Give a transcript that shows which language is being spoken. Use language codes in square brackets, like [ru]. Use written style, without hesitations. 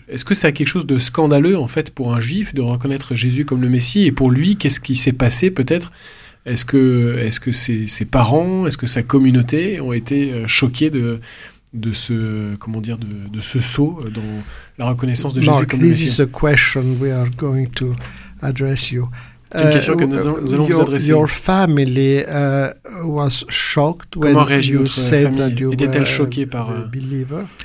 [fr] Est-ce que ça a quelque chose de scandaleux, en fait, pour un juif, de reconnaître Jésus comme le Messie? Et pour lui, qu'est-ce qui s'est passé, peut-être? Est-ce que ses parents, est-ce que sa communauté ont été choqués de ce saut dans la reconnaissance de Jésus comme le Messie? [en] Mark, this is a question we are going to... address you. [fr] C'est une question que nous allons vous adresser. [en] Your family was shocked. [fr] Comment réagit votre famille? Était-elle choquée par believer?